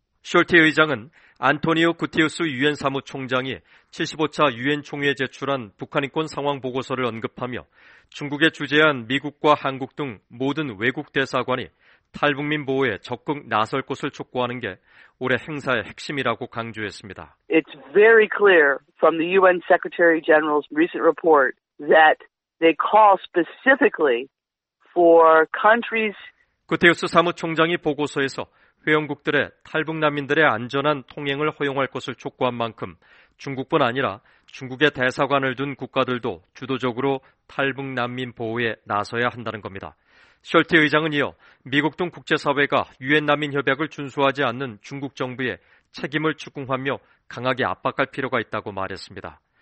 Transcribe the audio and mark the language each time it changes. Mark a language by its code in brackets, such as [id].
[ko] 숄티 의장은 안토니오 구테우스 유엔 사무총장이 75차 유엔 총회에 제출한 북한인권 상황 보고서를 언급하며 중국에 주재한 미국과 한국 등 모든 외국 대사관이 탈북민 보호에 적극 나설 것을 촉구하는 게 올해 행사의 핵심이라고 강조했습니다. [en] It's very clear from the UN Secretary General's recent report that they call specifically for countries. [ko] 구테우스 사무총장이 보고서에서 회원국들의 탈북 난민들의 안전한 통행을 허용할 것을 촉구한 만큼 중국뿐 아니라 중국의 대사관을 둔 국가들도 주도적으로 탈북 난민 보호에 나서야 한다는 겁니다. 숄티 의장은 이어 미국 등 국제사회가 유엔 난민협약을 준수하지 않는 중국 정부에 책임을 추궁하며 강하게 압박할 필요가 있다고 말했습니다.